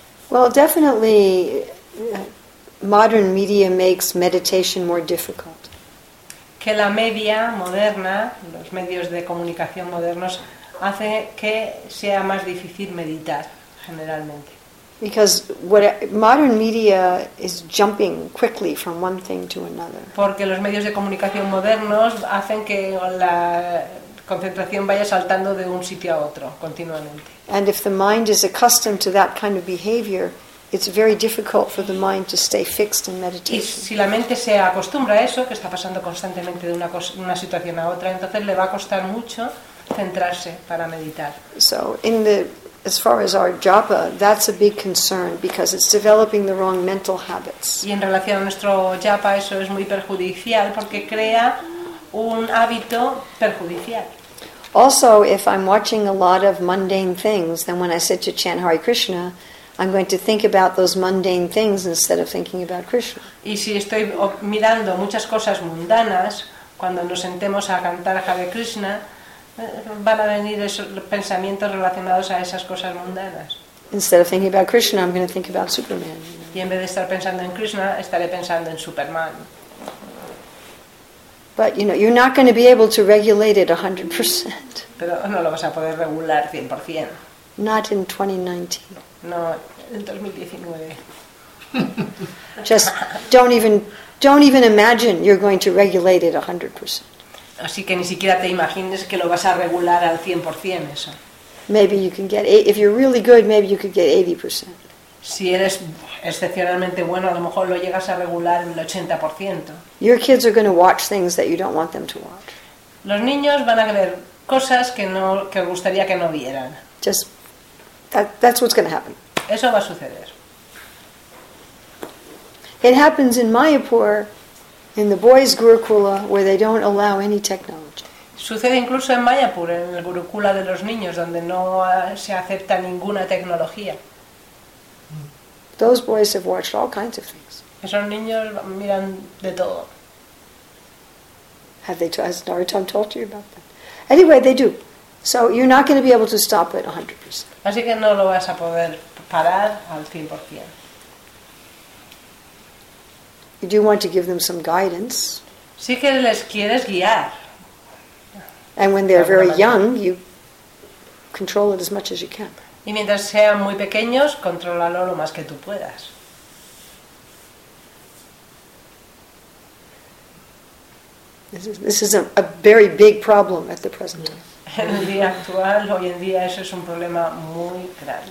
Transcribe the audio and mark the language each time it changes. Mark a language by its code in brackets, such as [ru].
[en] Well, definitely modern media makes meditation more difficult. [es] Que la media moderna, los medios de comunicación modernos, hace que sea más difícil meditar generalmente. [en] Because what modern media is jumping quickly from one thing to another. [es] Porque los medios de comunicación modernos hacen que la concentración vaya saltando de un sitio a otro continuamente. [en] And if the mind is accustomed to that kind of behavior, it's very difficult for the mind to stay fixed in meditation. [es] Y si la mente se acostumbra a eso, que está pasando constantemente de una situación a otra, entonces le va a costar mucho centrarse para meditar. [en] So, as far as our japa, that's a big concern because it's developing the wrong mental habits. [es] Y en relación a nuestro japa, eso es muy perjudicial porque crea un hábito perjudicial. [en] Also, if I'm watching a lot of mundane things, then when I sit to chant Hare Krishna, I'm going to think about those mundane things instead of thinking about Krishna. [es] Y si estoy mirando muchas cosas mundanas, cuando nos sentemos a cantar Hare Krishna, van a venir esos pensamientos relacionados a esas cosas mundanas. [en] Instead of thinking about Krishna, I'm going to think about Superman. You know? [es] Y en vez de estar pensando en Krishna, estaré pensando en Superman. [en] But you know, you're not going to be able to regulate it 100%. [es] Pero no lo vas a poder regular 100%. [en] Not in 2019. [es] No, en 2019. [en] Just don't even imagine you're going to regulate it 100%. [es] Así que ni siquiera te imagines que lo vas a regular al 100% eso. [en] Maybe you can get, if you're really good, maybe you could get 80%. [es] Si eres excepcionalmente bueno, a lo mejor lo llegas a regular el 80%. [en] Your kids are going to watch things that you don't want them to watch. [es] Los niños van a ver cosas que gustaría que no vieran. [en] Just That's what's going to happen. [es] Eso va a suceder. [en] It happens in Mayapur, in the boys' Gurukula, where they don't allow any technology. [es] Sucede incluso en Mayapur, en el Gurukula de los niños, donde no se acepta ninguna tecnología. [en] Those boys have watched all kinds of things. [es] Esos niños miran de todo. [en] Has Narottam told you about that? Anyway, they do. So you're not going to be able to stop it 100%. [es] Así que no lo vas a poder parar al 100%. [en] You do want to give them some guidance. [es] Sí que les quieres guiar. [en] And when they're very young, you control it as much as you can. [es] Y mientras sean muy pequeños, contrólalo lo más que tú puedas. [en] This is a very big problem at the present time. [es] En el día actual, hoy en día, eso es un problema muy grave.